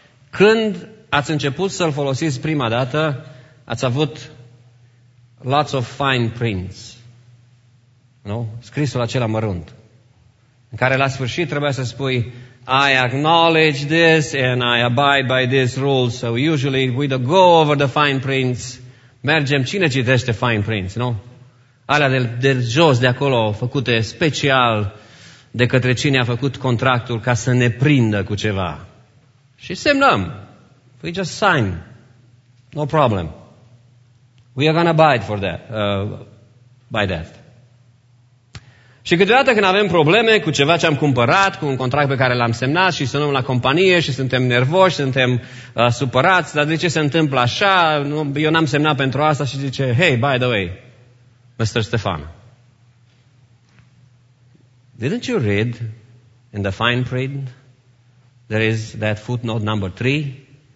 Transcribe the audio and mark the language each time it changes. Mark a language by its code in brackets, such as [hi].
[ro] Când ați început să-l folosiți prima dată, ați avut [en] lots of fine prints, [ro] nu? Scrisul acela mărunt, în care la sfârșit trebuia să spui [en] I acknowledge this and I abide by this rule. So usually we don't go over the fine prints. [ro] Mergem, cine citește fine prints, nu? Alea de jos, de acolo, făcute special de către cine a făcut contractul ca să ne prindă cu ceva. Și semnăm. [en] We just sign. No problem. We are gonna abide for that, by that. [ro] Și câteodată când avem probleme cu ceva ce am cumpărat, cu un contract pe care l-am semnat și sunăm la companie și suntem nervoși, suntem supărați, dar de ce se întâmplă așa? Eu n-am semnat pentru asta și zice, [en] hey, by the way, Mr. Stefan, didn't you read in the fine print there is that footnote number 3?